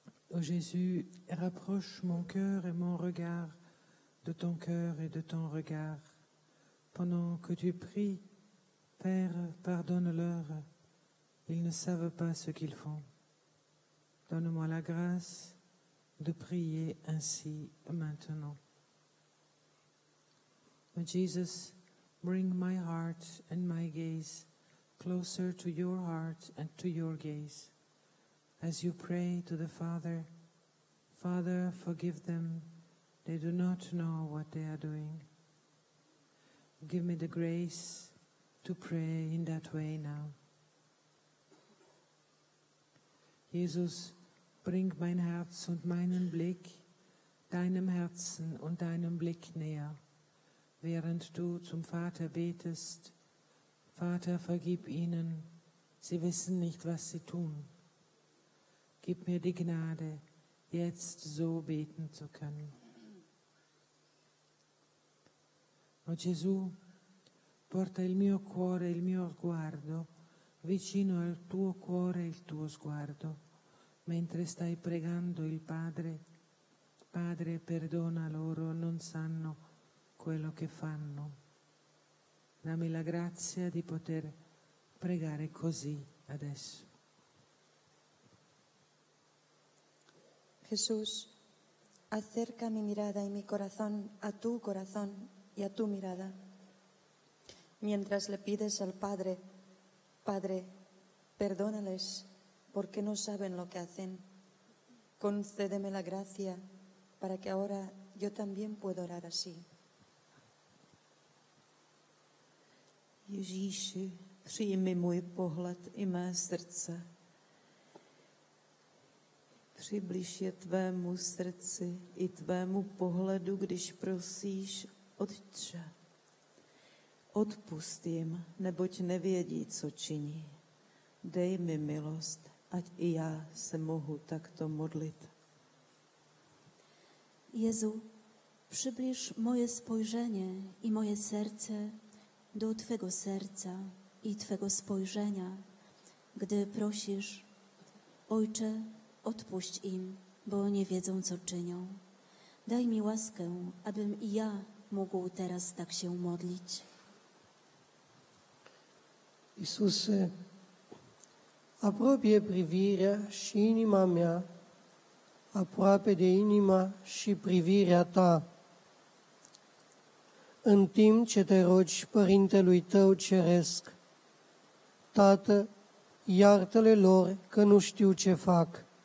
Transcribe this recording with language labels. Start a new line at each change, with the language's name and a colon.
French: Ô Jésus, rapproche mon cœur et mon regard de ton cœur et de ton regard. Pendant que tu pries, Père, pardonne-leur, ils ne savent pas ce qu'ils font. Donne-moi la grâce de prier ainsi maintenant.
English: O Jesus, bring my heart and my gaze closer to your heart and to your gaze. As you pray to the Father, Father, forgive them. They do not know what they are doing. Give me the grace to pray in that way now.
German: Jesus, bring mein Herz und meinen Blick deinem Herzen und deinem Blick näher, während du zum Vater betest. Vater, vergib ihnen. Sie wissen nicht, was sie tun. Gib mir die Gnade, jetzt so beten zu können.
Italian: O Gesù, porta il mio cuore e il mio sguardo vicino al tuo cuore e il tuo sguardo, mentre stai pregando il Padre. Padre, perdona loro, non sanno quello che fanno. Dammi la grazia di poter pregare così adesso.
Spanish: Jesús, acerca mi mirada y mi corazón a tu corazón y a tu mirada. Mientras le pides al Padre, Padre, perdónales porque no saben lo que hacen. Concédeme la gracia para que ahora yo también pueda orar así.
Czech: Ježíši, přijmi můj pohled i mé srdce. Přibliž je tvému srdci i tvému pohledu, když prosíš, Otče. Odpust jim, neboť nevědí, co činí. Dej mi milost, ať i já se mohu takto modlit.
Polish: Jezu,
Czech: přibliž
Polish: moje spojrzenie i moje serce do Twego serca i Twego spojrzenia, gdy prosisz, Ojcze, odpuść im, bo nie wiedzą, co czynią. Daj mi łaskę, abym i ja mógł teraz tak się modlić.
Romanian: Jezusie, a proprio privire inima mia, a proprio de inima și privirea ta. În timp ce te rogi părintelui tău ceresc, Tată, iartă-le lor că nu știu ce fac.